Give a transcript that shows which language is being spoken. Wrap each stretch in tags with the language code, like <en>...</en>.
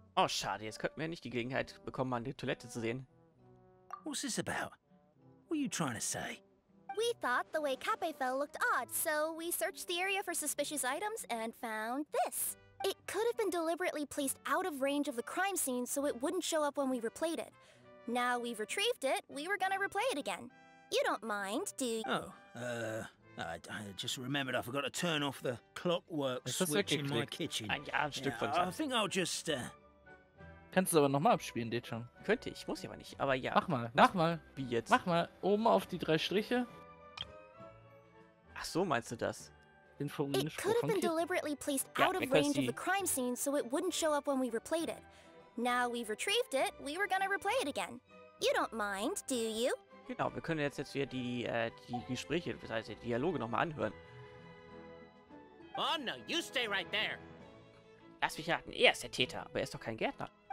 <de>Oh, schade, jetzt könnten wir nicht die Gelegenheit bekommen, mal eine Toilette zu sehen.</de> <en>What's this about? What are you trying to say? We thought the way Cappy fell looked odd, so we searched the area for suspicious items and found this. It could have been deliberately placed out of range of the crime scene so it wouldn't show up when we replayed it. Now we've retrieved it, we were gonna replay it again. You don't mind, do you? Oh, I just remembered I forgot to turn off the clockwork switch in my kitchen.</en> <de>Ein Stück von</de> <en>I think I'll just,</en> <de>Kannst du es aber nochmal abspielen, Dejan? Könnte ich, muss ich aber nicht, aber ja. Mach mal, mach mal. Wie jetzt? Mach mal, oben auf die drei Striche. Ach so, meinst du das? Den vorigen Spruch von Kit?</de> <en>Been deliberately placed out of range of the crime scene, so it wouldn't show up when we replayed it. Now we've retrieved it, we were gonna replay it again. You don't mind, do you?</en> <de>Genau, wir können jetzt wieder die Gespräche, das heißt die Dialoge nochmal anhören.</de> <en>Oh no, you stay right there.</en> <de>Lass mich raten, er ist der Täter, aber er ist doch kein Gärtner.</de>